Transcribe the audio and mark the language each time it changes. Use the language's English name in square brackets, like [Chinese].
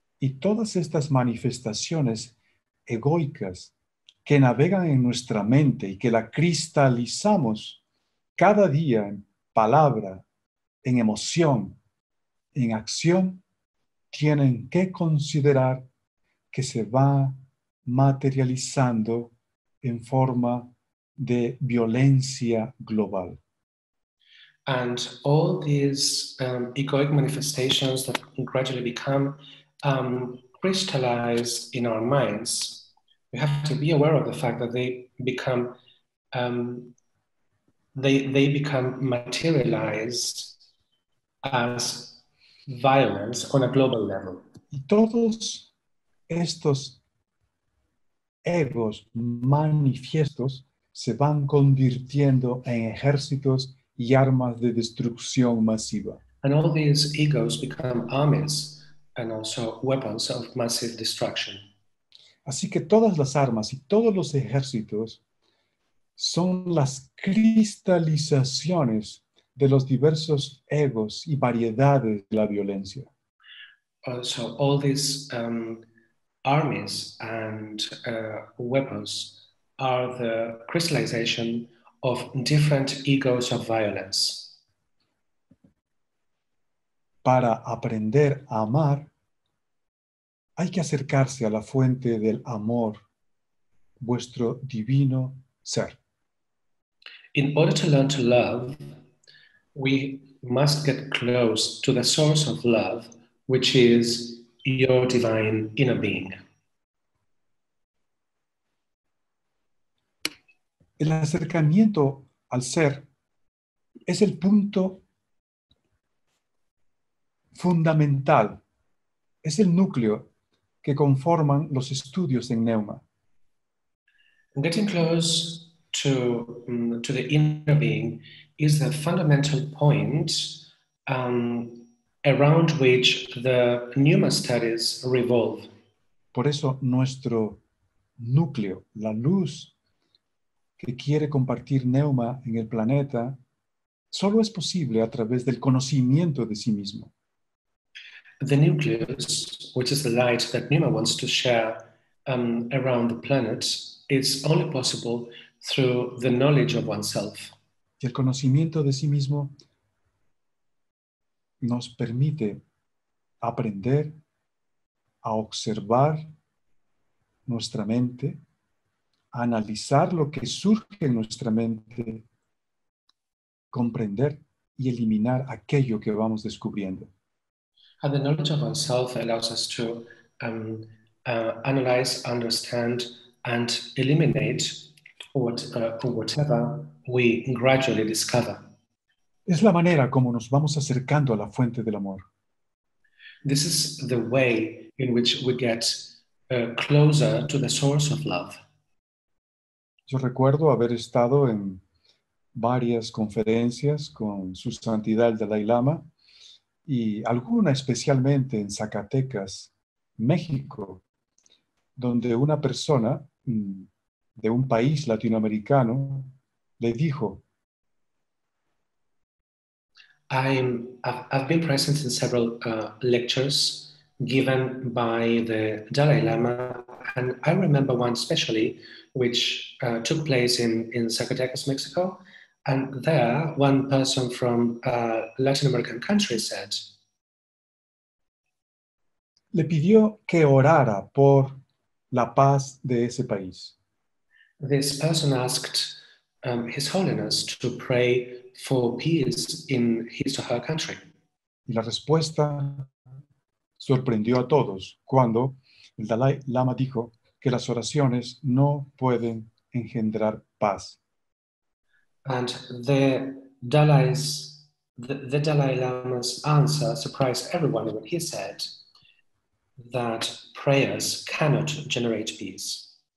[Spanish] Y todas estas manifestaciones egoicas que navegan en nuestra mente y que la cristalizamos cada día en palabra, en emoción, en acción, tienen que considerar que se va materializando en forma de violencia global. [English] And all these egoic manifestations that gradually become crystallize in our minds, we have to be aware of the fact that they become materialized as violence on a global level. [Spanish] Y todos estos egos manifiestos se van convirtiendo en ejércitos y armas de destrucción masiva. [English] And all these egos become armies and also weapons of massive destruction. [Spanish] Así que todas las armas y todos los ejércitos son las cristalizaciones de los diversos egos y variedades de la violencia. [English] So all these armies and weapons are the crystallization of different egos of violence. [Spanish] Para aprender a amar, hay que acercarse a la fuente del amor, vuestro divino ser. [English] In order to learn to love, we must get close to the source of love, which is your divine inner being. [Spanish] El acercamiento al ser es el punto fundamental, es el núcleo que conforman los estudios en Neuma. [English] Getting close to the inner being is the fundamental point around which the Neuma studies revolve. [Spanish] Por eso nuestro núcleo, la luz que quiere compartir Neuma en el planeta, solo es posible a través del conocimiento de sí mismo. [English] The nucleus, which is the light that Neuma wants to share around the planet, is only possible through the knowledge of oneself. [Spanish] Y el conocimiento de sí mismo nos permite aprender a observar nuestra mente, a analizar lo que surge en nuestra mente, comprender y eliminar aquello que vamos descubriendo. [English] And the knowledge of oneself allows us to analyze, understand, and eliminate whatever we gradually discover. [Spanish] Es la manera como nos vamos acercando a la fuente del amor. [English] This is the way in which we get closer to the source of love. [Spanish] Yo recuerdo haber estado en varias conferencias con Su Santidad el Dalai Lama, y alguna especialmente en Zacatecas, México, donde una persona de un país latinoamericano le dijo: [English] I've been present in several lectures given by the Dalai Lama, and I remember one especially which took place in Zacatecas, Mexico. And there, one person from a Latin American country said, [Spanish] le pidió que orara por la paz de ese país. [English] This person asked His Holiness to pray for peace in his or her country. [Spanish] Y la respuesta sorprendió a todos cuando el Dalai Lama dijo que las oraciones no pueden engendrar paz. [English] And the Dalai Lama's answer surprised everyone when he said that prayers cannot generate peace.